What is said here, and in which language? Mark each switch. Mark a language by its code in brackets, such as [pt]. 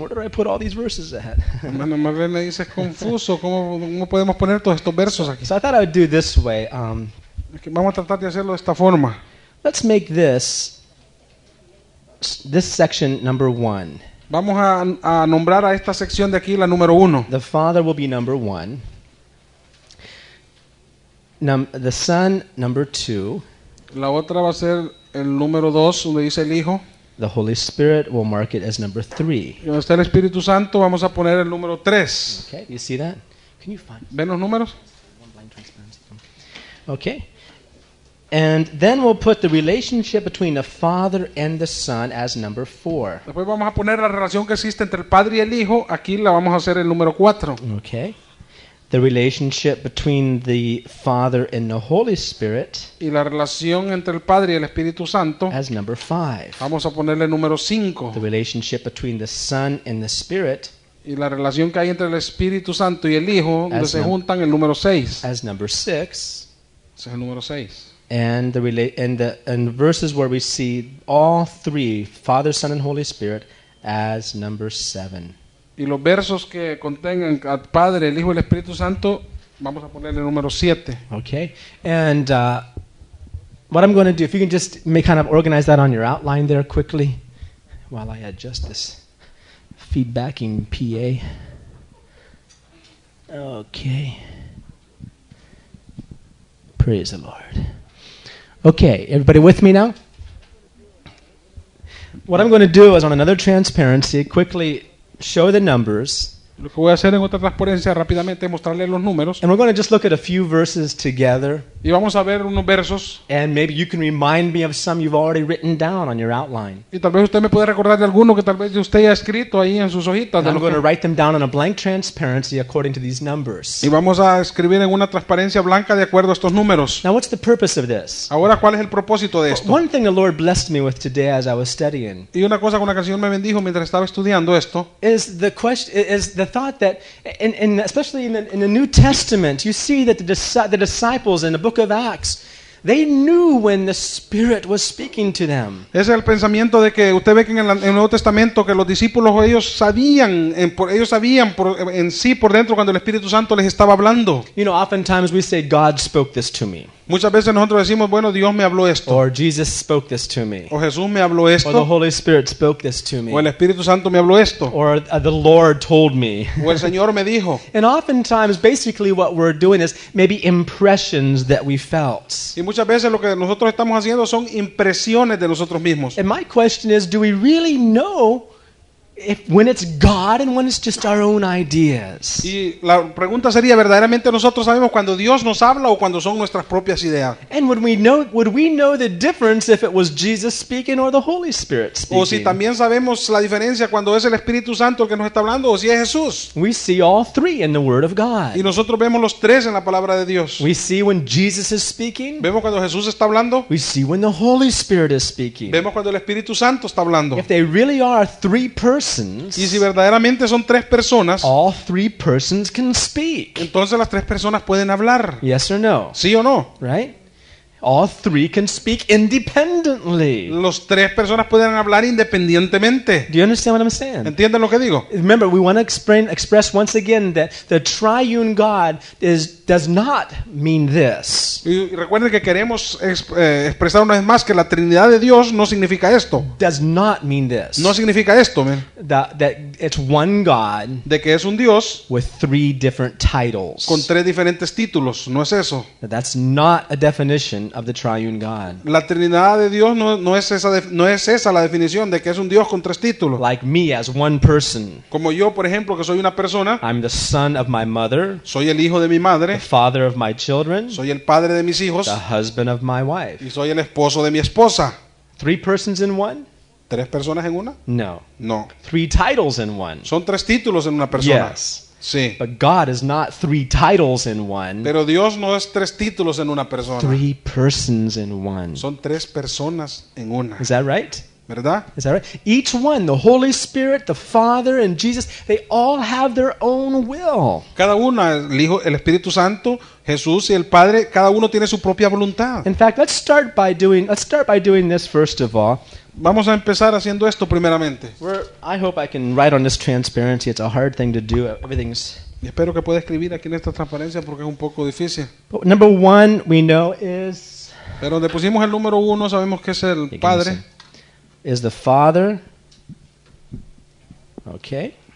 [en] Where do I put all these verses at? [es] Hermana Marlene dice es confuso. ¿Cómo podemos poner todos estos versos aquí? [en] So I thought I would do this way. [es] Vamos a tratar de hacerlo de esta forma. [en] Let's make this section number one. [es] Vamos a nombrar a esta sección de aquí la número uno. [en] The Father will be number one. The Son, number two. [es] La otra va a ser el número dos, donde dice el Hijo. [en] The Holy Spirit will mark it as number three. [es] Y donde está el Espíritu Santo, vamos a poner el número tres. [en] Okay, you see that? Can you find? [es] ¿Ven los números? [en] Okay. And then we'll put the relationship between the Father and the Son as number four. [es] Después vamos a poner la relación que existe entre el Padre y el Hijo. Aquí la vamos a hacer el número cuatro. [en] Okay. The relationship between the Father and the Holy Spirit. [es] Y la relación entre el Padre y el Espíritu Santo. [en] As number five. [es] Vamos a ponerle el número cinco. [en] The relationship between the Son and the Spirit. [es] Y la relación que hay entre el Espíritu Santo y el Hijo, donde se juntan el número seis. [en] As number six. [es] Ese es el número seis. [en] And the verses where we see all three, Father, Son, and Holy Spirit, as number seven. [es] Y los versos que contengan al Padre, el Hijo y el Espíritu Santo, vamos a ponerle número siete. [en] Okay. And what I'm going to do, if you can just kind of organize that on your outline there quickly, while I adjust this feedbacking PA. Okay. Praise the Lord. Okay, everybody with me now? What I'm going to do is on another transparency, quickly show the numbers. [es] Lo que voy a hacer en otra transparencia rápidamente es mostrarle los números. [en] And we're going to just look at a few verses together. [es] Y vamos a ver unos versos. [en] And maybe you can remind me of some you've already written down on your outline. [es] Y tal vez usted me puede recordar de alguno que tal vez usted ya ha escrito ahí en sus hojitas. [en] And I'm going to write them down in a blank transparency according to these numbers. [es] Y vamos a escribir en una transparencia blanca de acuerdo a estos números. [en] Now what's the purpose of this? [es] Ahora, ¿cuál es el propósito de esto? [en] One thing the Lord blessed me with today as I was studying. [es] Y una cosa con la canción me bendijo mientras estaba estudiando esto. [en] Is the thought that, and especially in the New Testament, you see that the disciples in the book of Acts, they knew when the Spirit was speaking to them. [es] Ese es el pensamiento de que usted ve que en el Nuevo Testamento que los discípulos ellos sabían por dentro cuando el Espíritu Santo les estaba hablando. [en] You know, oftentimes we say God spoke this to me. [es] Muchas veces nosotros decimos, bueno, Dios me habló esto. [en] Or Jesus spoke this to me. [es] O Jesús me habló esto. [en] Or the Holy Spirit spoke this to me. [es] O el Espíritu Santo me habló esto. [en] Or the Lord told me. [es] O el Señor me dijo. [en] And oftentimes, basically, what we're doing is maybe impressions that we felt. [es] Y muchas veces lo que nosotros estamos haciendo son impresiones de nosotros mismos. [en] And my question is, do we really know when it's God and when it's just our own ideas? [es] Y la pregunta sería, ¿verdaderamente nosotros sabemos cuando Dios nos habla o cuando son nuestras propias ideas? [en] And would we know the difference if it was Jesus speaking or the Holy Spirit speaking? [es] O si también sabemos la diferencia cuando es el Espíritu Santo el que nos está hablando o si es Jesús. [en] We see all three in the Word of God. [es] Y nosotros vemos los tres en la palabra de Dios. [en] We see when Jesus is speaking. [es] Vemos cuando Jesús está hablando. [en] We see when the Holy Spirit is speaking. [es] Vemos cuando el Espíritu Santo está hablando. [en] If they really are three persons. [es] Y si verdaderamente son tres personas, [en] all three persons can speak. [es] Entonces las tres personas pueden hablar. [en] Yes or no? [es] Sí o no? [en] Right? All three can speak independently. [es] Los tres personas pueden hablar independientemente. [en] Do you understand what I'm saying? [es] ¿Entienden lo que digo? [en] Remember, we want to express once again that the triune God does not mean this. [es] Y recuerden que queremos expresar una vez más que la Trinidad de Dios no significa esto. [en] Does not mean this. [es] No significa esto, man. [en] That it's one God. [es] De que es un Dios. [en] With three different titles. [es] Con tres diferentes títulos. No es eso. [en] That's not a definition of the triune God. [es] La Trinidad de Dios no es esa la definición de que es un Dios con tres títulos. [en] Like me as one person. [es] Como yo, por ejemplo, que soy una persona. [en] I'm the son of my mother. [es] Soy el hijo de mi madre. [en] The father of my children. [es] Soy el padre de mis hijos. [en] The husband of my wife. [es] Y soy el esposo de mi esposa. [en] Three persons in one? [es] ¿Tres personas en una? [en] No. [es] No. [en] Three titles in one. [es] Son tres títulos en una persona. [en] Yes. [es] Sí. [en] But God is not three titles in one. [es] Pero Dios no es tres títulos en una persona. [en] Three persons in one. [es] Son tres personas en una. [en] Is that right? [es] ¿Verdad? [en] Is that right? Each one, the Holy Spirit, the Father, and Jesus, they all have their own will. [es] Cada uno, el Hijo, el Espíritu Santo, Jesús y el Padre, cada uno tiene su propia voluntad. [en] In fact, let's start by doing this first of all. [es] Vamos a empezar haciendo esto primeramente. [en] I hope I can write on this transparency. It's a hard thing to do. Everything's. [es] Y espero que pueda escribir aquí en esta transparencia porque es un poco difícil. [en] But number one, we know is. [es] Pero donde pusimos el número uno, sabemos que es el Padre. [en] Is the Father. Okay.